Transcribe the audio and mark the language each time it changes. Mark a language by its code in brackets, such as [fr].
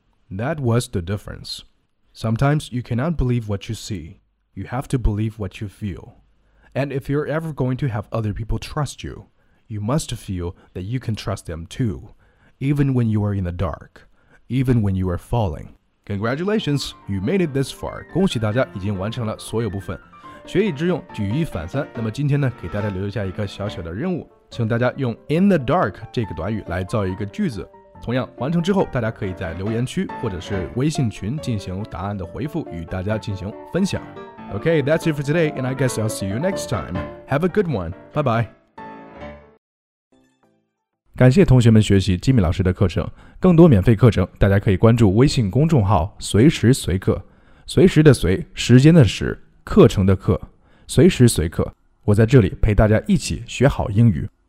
[en] That was the difference. Sometimes you cannot believe what you see. You have to believe what you feel. And if you're ever going to have other people trust you, you must feel that you can trust them too, even when you are in the dark, even when you are falling. Congratulations, you made it this far. [zh] 恭喜大家已经完成了所有部分。学以致用，举一反三。那么今天呢，给大家留下一个小小的任务，请大家用 [en] in the dark [zh] 这个短语来造一个句子。同样完成之后，大家可以在留言区或者是微信群进行答案的回复，与大家进行分享。 [en] Okay, that's it for today, and I guess I'll see you next time. Have a good one. Bye bye. [zh] 感谢同学们学习 Jimmy 老师的课程。更多免费课程，大家可以关注微信公众号“随时随课”，随时的随，时间的时，课程的课，随时随课。我在这里陪大家一起学好英语。